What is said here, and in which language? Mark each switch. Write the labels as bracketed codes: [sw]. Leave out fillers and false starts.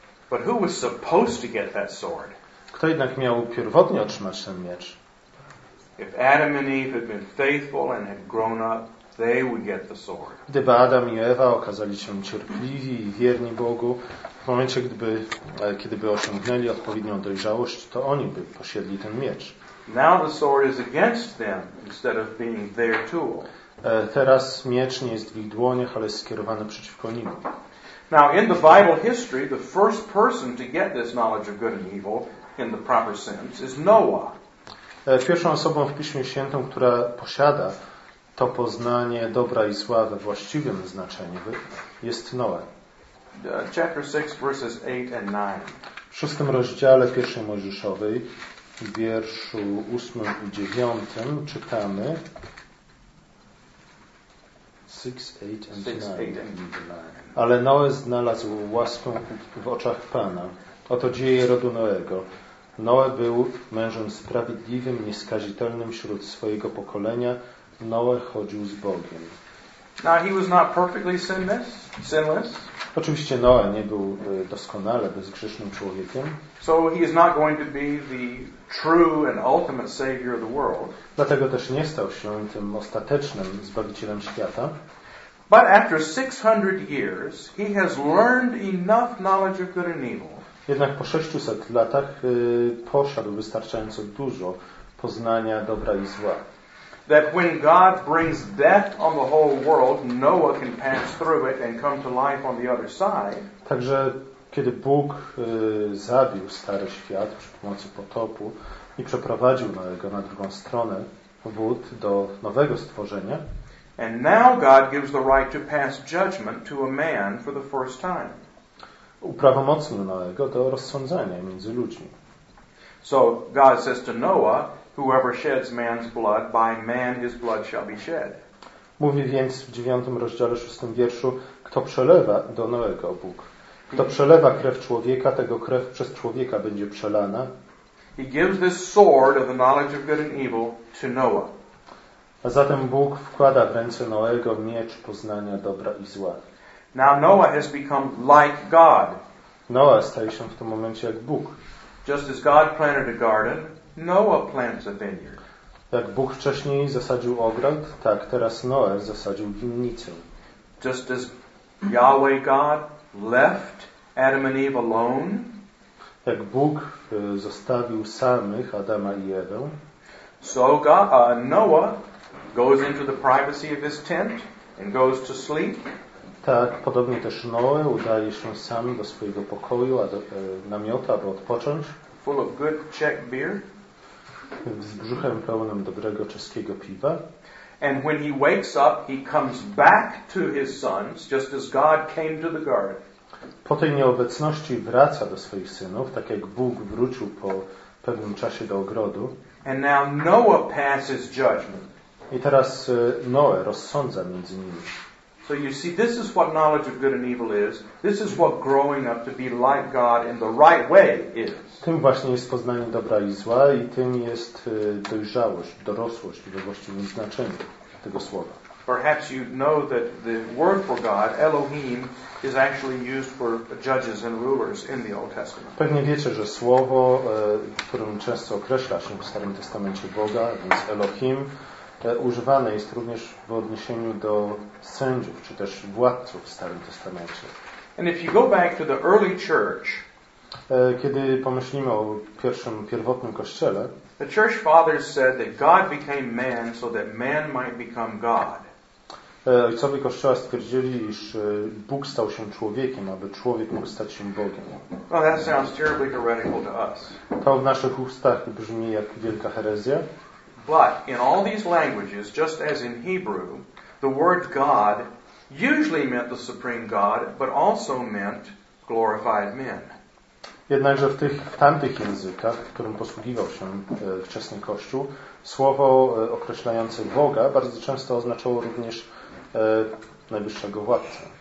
[en] But who was supposed to get that sword? [pl] Kto jednak miał pierwotnie otrzymać ten miecz? [en] If Adam and Eve had been faithful and had grown up, they would get the sword. [pl] Gdyby Adam i Ewa okazali się cierpliwi i wierni Bogu, w momencie, kiedy by osiągnęli odpowiednią dojrzałość, to oni by posiedli ten miecz. [en] Now the sword is against them instead of being their tool. [pl] Teraz miecz nie jest w ich dłoniach, ale jest skierowany przeciwko nim. [en] Now in the Bible history, the first person to get this knowledge of good and evil in the proper sense is Noah. [pl] Pierwszą osobą w Piśmie Świętym, która posiada to poznanie dobra i zła we właściwym znaczeniu, jest Noe. [en] Chapter 6, verses 8 and 9. [pl] W szóstym rozdziale pierwszej Mojżeszowej, w wierszu 8 i 9 czytamy [en] 6, 8 and 9. [pl] Ale Noe znalazł łaskę w oczach Pana. Oto dzieje rodu Noego. Noe był mężem sprawiedliwym, nieskazitelnym wśród swojego pokolenia. Noe chodził z Bogiem. [en] Now he was not perfectly sinless. [pl] Oczywiście Noe nie był doskonale bezgrzesznym człowiekiem. [en] So he is not going to be the true and ultimate savior of the world. [pl] Dlatego też nie stał się tym ostatecznym zbawicielem świata. [en] But after 600 years, he has learned enough knowledge of good and evil. [pl] Jednak po 600 latach posiadł wystarczająco dużo poznania dobra i zła. [en] That when God brings death on the whole world, Noah can pass through it and come to life on the other side. [pl] Także kiedy Bóg zabił stary świat przy pomocy potopu i przeprowadził Noego na drugą stronę wód do nowego stworzenia. [en] And now God gives the right to pass judgment to a man for the first time. [pl] Uprawomocnił Noego do rozsądzania między ludźmi. [en] So God says to Noah, whoever sheds man's blood, by man his blood shall be shed. [pl] Mówi więc w 9 rozdziale 6 wierszu, kto przelewa do Noego Bóg. Kto przelewa krew człowieka, tego krew przez człowieka będzie przelana. [en] He gives this sword of the knowledge of good and evil to Noah. [pl] A zatem Bóg wkłada w ręce Noego miecz poznania dobra i zła. [en] Now Noah has become like God. [pl] Noah staje się w tym momencie jak Bóg. [en] Just as God planted a garden, Noah plants a vineyard. [pl] Jak Bóg wcześniej zasadził ogród, tak teraz Noe zasadził winnicę. [en] Just as Yahweh God left Adam and Eve alone. [pl] Jak Bóg zostawił samych Adama i Ewę. [en] So God, Noah goes into the privacy of his tent and goes to sleep. [pl] Tak, podobnie też Noe udaje się sam do swojego pokoju, namiotu, aby odpocząć. [en] Full of good Czech beer. [pl] Z brzuchem pełnym dobrego czeskiego piwa. [en] And when he wakes up, he comes back to his sons, just as God came to the garden. [pl] Po tej nieobecności wraca do swoich synów, tak jak Bóg wrócił po pewnym czasie do ogrodu. [en] And now Noah passes judgment. [pl] I teraz Noe rozsądza między nimi. [en] So you see, this is what knowledge of good and evil is. This is what growing up to be like God in the right way is. [pl] Tym właśnie jest poznanie dobra i zła i tym jest dojrzałość, dorosłość we właściwym znaczeniu tego słowa. [en] Perhaps you know that the word for God, Elohim, is actually used for judges and rulers in the Old Testament. [pl] Pewnie wiecie, że słowo, którym często określa się w Starym Testamencie Boga, więc Elohim, używane jest również w odniesieniu do sędziów, czy też władców w Starym Testamencie. [en] And if you go back to the early church, [pl] kiedy pomyślimy o pierwszym, pierwotnym kościele, [en] the church fathers said that God became man so that man might become God. [pl] Ojcowie kościoła stwierdzili, iż Bóg stał się człowiekiem, aby człowiek mógł stać się Bogiem. [en] Well, that sounds terribly heretical to us. [pl] To w naszych ustach brzmi jak wielka herezja. [en] But in all these languages, just as in Hebrew, the word God usually meant the supreme God, but also meant glorified men. [pl] Jednakże w tamtych językach, w którym posługiwał się wczesny Kościół, słowo określające Boga bardzo często oznaczało również najwyższego władcę.